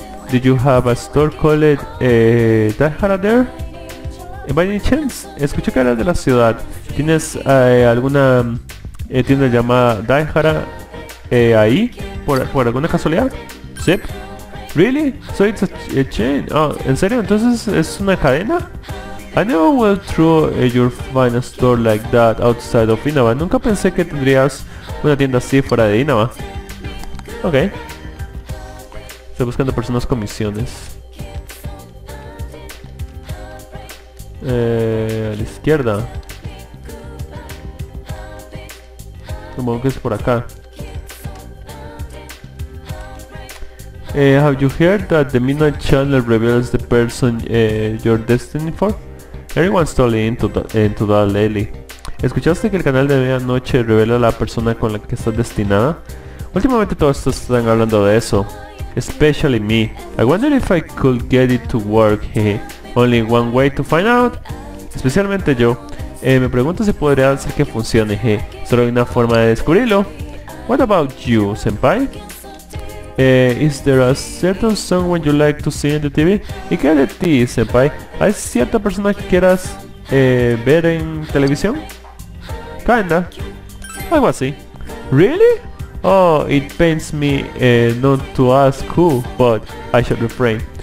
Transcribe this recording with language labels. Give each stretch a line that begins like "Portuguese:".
English: Did you have a store called Tahara there? By any chance,
Spanish: escuché que eras de la ciudad. ¿Tienes alguna tienda llamada Tahara ahí? ¿Por alguna casualidad? Sí.
English: Really? So it's a chain?
Spanish: Oh, ¿en serio? ¿Entonces es una cadena?
English: I never went through your fine store like that outside of Inaba.
Spanish: Nunca pensé que tendrías una tienda así fuera de Inaba. Ok. Estoy buscando personas con misiones. A la izquierda. Supongo que es por acá.
English: Have you heard that the Midnight Channel reveals the person you're destined for? Everyone's totally into that lately.
Spanish: ¿Escuchaste que el canal de medianoche revela la persona con la que estás destinada? Últimamente todos están hablando de eso.
English: Especially me. I wonder if I could get it to work. Only one way to find out.
Spanish: Especialmente yo. Me pregunto si podría hacer que funcione. Solo hay una forma de descubrirlo.
English: What about you, senpai? Is there a certain someone you like to see in the TV?
Spanish: ¿Y qué de ti, senpai? ¿Hay cierta persona que quieras ver en televisión?
English: Kinda.
Spanish: Algo así.
English: Really? Oh, it pains me not to ask who, but I should refrain.